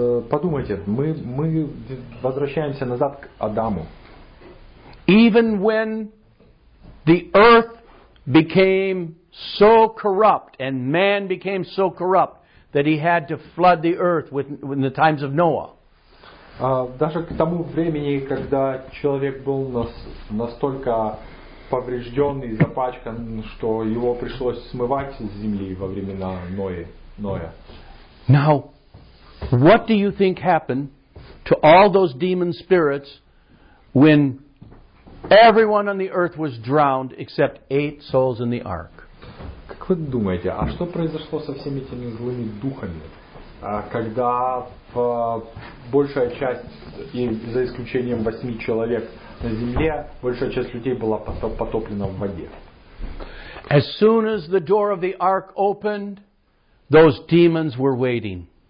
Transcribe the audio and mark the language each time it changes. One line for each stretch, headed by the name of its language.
Russian: Подумайте, мы возвращаемся назад к Адаму.
English: Even when the earth became so corrupt and man became so corrupt that he had to flood the earth in the times of Noah.
Russian: Даже к тому времени, когда человек был настолько поврежденный, запачкан, что его пришлось смывать с земли во времена Ноя.
English: Now, what do you think happened to all those demon spirits when everyone on the earth was drowned except 8 souls in the ark?
Russian: Как вы думаете, а что произошло со всеми этими злыми духами, когда большая часть, за исключением 8 человек, на земле большая часть людей была потоплена в воде.
English: As soon as the door of the ark opened, those demons were waiting.